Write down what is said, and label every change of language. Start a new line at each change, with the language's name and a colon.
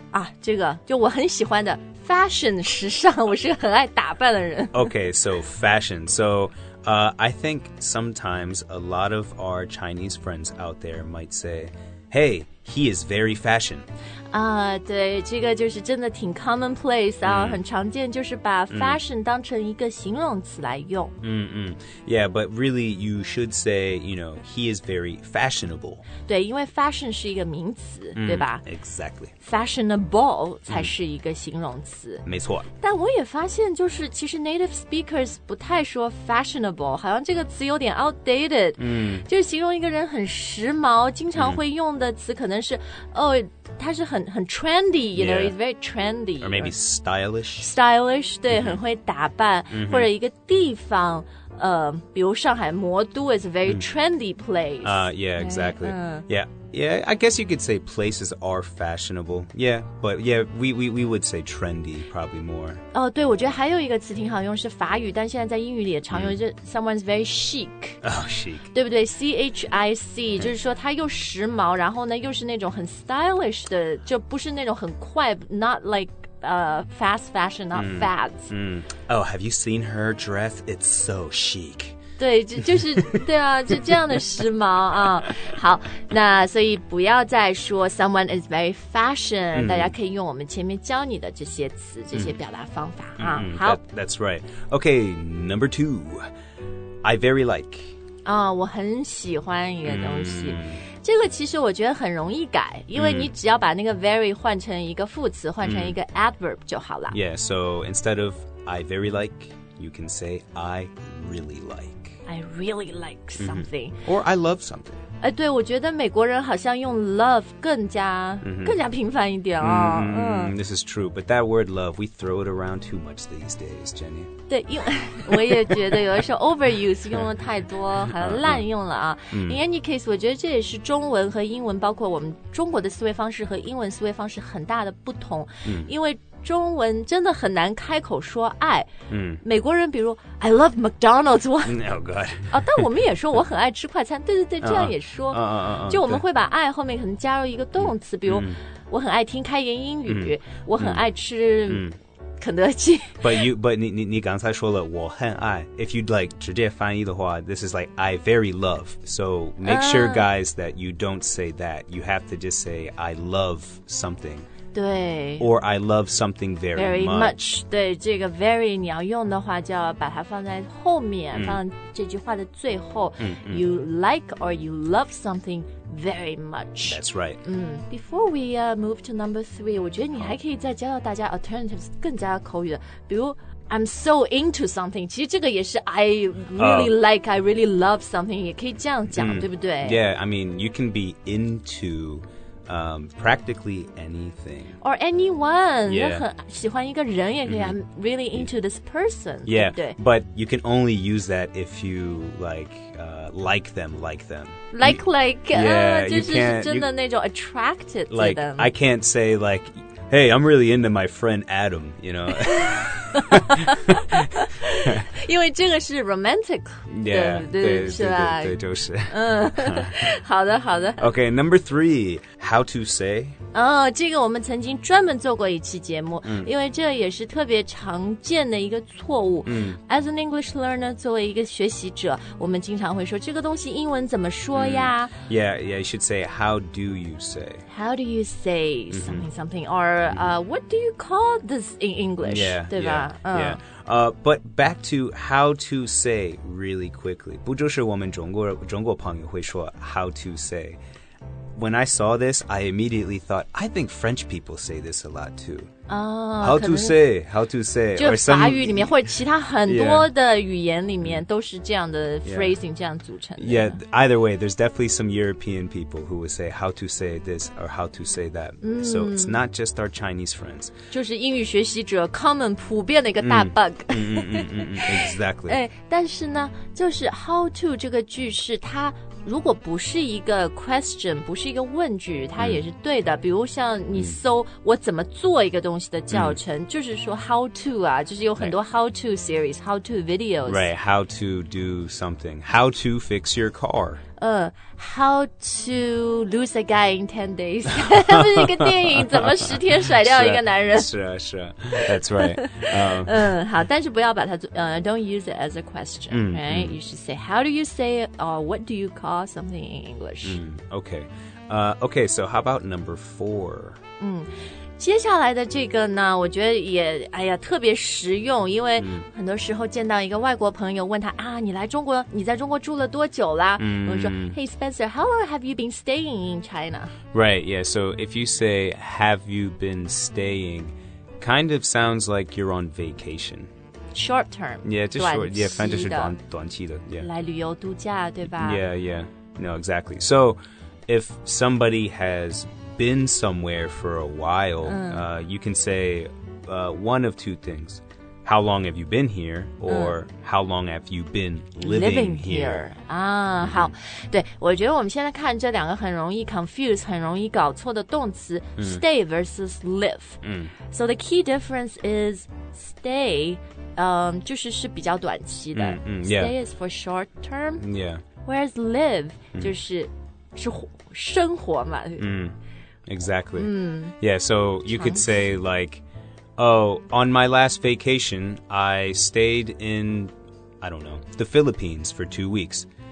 Chinese: 啊，这个就我很喜欢的 fashion 时尚，我是个很爱打扮的人。
English: Okay, so fashion, so. I think sometimes a lot of our Chinese friends out there might say, hey, he is very fashion.
Chinese: 对，这个就是真的挺 commonplace 啊、很常见就是把 fashion 当成一个形容词来用。
English: Yeah, but really you should say, you know, he is very fashionable.
Chinese: 对，因为 fashion 是一个名词、对吧
English: Exactly.
Chinese: Fashionable 才是一个形容词。没错。但我也发现就是其实 native speakers 不太说 fashionable, 好像这个词有点 outdated,、就是形容一个人很时髦经常会用的词可能是、他是很 trendy,
English: you know, he's very trendy. Or maybe stylish.
Chinese: Stylish, 对、很会打扮、或者一个地方、比如上海魔都
English: is a very trendy place.、 Yeah, exactly.、Yeah, I guess you could say places are fashionable. Yeah, but yeah, we would say trendy probably more.
Chinese: 哦、对，我觉得还有一个词挺好用，是法语，但现在在英语里也常用，就
English: someone's very chic. Oh, chic.
Chinese: 对不对 ？Chic 就是说他又时髦，然后呢又是那种很 stylish 的，就不是那种很快 ，
English: not like. Fast fashion, not fads. Oh, have you seen her dress? It's so chic.
Chinese: 对，就是对啊，就这样的时髦啊。好，那所以不要再说
English: someone is very fashion.、
Chinese: 大家可以用我们前面教你的这些词、这些表达方法啊。好
English: that's right. Okay, number two. I very like.
Chinese: 啊、我很喜欢一个东西。这个其实我觉得很容易改因为你只要把那个 very 换成一个副词换成一个 adverb 就好了
English: Yeah, so instead of I very like You can say I really like I really like something、 Or I love something
Chinese: 哎，对我觉得美国人好像用 love 更加频繁一点、
English: This is true But that word love We throw it around too much these days, Jenny
Chinese: 对因为我也觉得有的时候 overuse 用了太多好像滥用了啊。
English: In any case
Chinese: 我觉得这也是中文和英文包括我们中国的思维方式和英文思维方式很大的不同、因为中文真的很难开口说爱、美国人比如
English: I love McDonald's Oh God、
Chinese: 但我们也说我很爱吃快餐对对对这样也说、就我们会把爱后面可能加入一个动词、比如我很爱听开言英语、我很爱吃肯德基
English: But
Chinese: 你刚才说了我很爱
English: If you'd like 直接翻译的话 This is like I very love So make sure guys that you don't say that You have to just say I love something
Chinese: 对
English: Or I love something very, very much. much
Chinese: 对这个 very 你要用的话就要把它放在后面、放这句话的最后、
English: You like or you love something very much That's right、 Before we、move to number three
Chinese: 我觉得你还可以再教到大家 alternatives 更加口语的比如
English: I'm so into something
Chinese: 其实这个也是
English: I really、like I really love something
Chinese: 也可以这样讲、对不对
English: Yeah I mean you can be intopractically anything or anyone yeah
Chinese: 喜欢一个人也可以
English: I'm really into this person yeah
Chinese: 对不对
English: but you can only use that if you like、like them like them like yeah、
Chinese: 就是、是真的那种 attracted
English: like, to them I can't say like hey I'm really into my friend Adam you know
Chinese: 因为这个是 romantic 对 yeah, 对 对, 对是吧对就是嗯好的好的
English: OK number three how to say
Chinese: 哦、oh, 这个我们曾经专门做过一期节目、嗯、因为这也是特别常见的一个错误、嗯、
English: as an English learner
Chinese: 作为一个学习者我们经常会说这个东西英文怎么说呀、嗯、
English: yeah you should say how do you say how do you say something、mm-hmm. something or、what do you call this in English yeah,
Chinese: 对吧
English: yeah, yeah. But back to how to say really quickly.
Chinese: 不就是我们中国朋友会说 how to say.
English: When I saw this, I immediately thought, I think French people say this a lot too. How to say, how to say.
Chinese: 就法语里面或者其他很多的语言里面都是这样的 phrasing 这样组成的。
English: Yeah, either way, there's definitely some European people who would say how to say this or how to say that.、嗯、 so it's not just our Chinese friends.
Chinese: 就是英语学习者 common 普遍的一个大 bug.
English: 嗯嗯嗯嗯 exactly.
Chinese: 哎，但是呢，就是 how to 这个句式，它如果不是一个 question, 不是一个问句，它也是对的。比如像你搜我怎么做一个东西的教程、嗯、就是说 how to 啊就是有很多
English: how to series how to videos right how to do something how to fix your car
Chinese: how to lose a guy in 10 days 不是一个电影怎么十天甩掉一个男人是啊是啊
English: that's right
Chinese: 好但是不要把它
English: don't use it as a question、嗯、right、嗯、you should say how do you say it or what do you call something in English、嗯、okay okay so how about number 4
Chinese: 接下来的这个呢我觉得也哎呀特别实用因为很多时候见到一个外国朋友问他啊你来中国你在中国住了多久啦我就说
English: Hey Spencer, how long have you been staying in China? Right, yeah, so if you say have you been staying, kind of sounds like you're on vacation. Short term. Yeah, just short, yeah,
Chinese: 反正是短期的
English: yeah.
Chinese: 来旅游度假对吧
English: Yeah, yeah, no, exactly. So if somebody has... been somewhere for a while、 mm. You can say one of two things how long have you been here or、mm. how long have you been living here 啊、mm-hmm.
Chinese: 好对我觉得我们现在看这两个很容易 confuse 很容易搞错的动词、mm.
English: stay versus live、 mm. so the key difference is stay、
Chinese: 就是是比较短期的、
English: mm-hmm. yeah. stay is for short term yeah whereas live、
Chinese: mm. 就是是生活嘛
English: 嗯、mm. Exactly.、 Mm. Yeah, so you could say like, oh, on my last vacation, I stayed in, I don't know, the Philippines for 2 weeks.